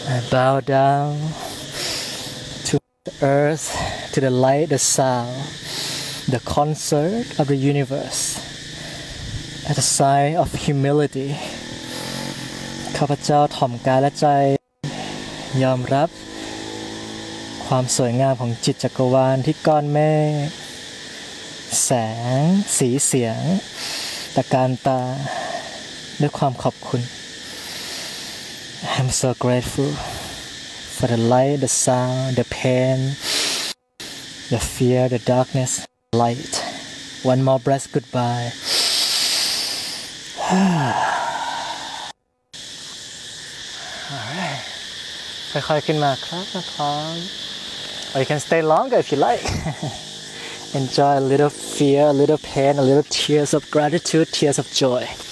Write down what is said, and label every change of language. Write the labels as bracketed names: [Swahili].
[English] Bow down to the earth, to the light, the sound, the concert of the universe. As a sign of humility, [Thai] ข้าพเจ้าถ่อมกายและใจยอมรับความสวยงามของจิตจักรวาลที่ก้อนเมฆแสงสีเสียงตะการตาด้วยความขอบคุณ [English] I'm so grateful for the light, the sound, the pain, the fear, the darkness, light. One more breath, goodbye. All right. [Thai] ค่อยๆขึ้นมาครับนะครับ [English] Or you can stay longer if you like. Enjoy a little fear, a little pain, a little tears of gratitude, tears of joy.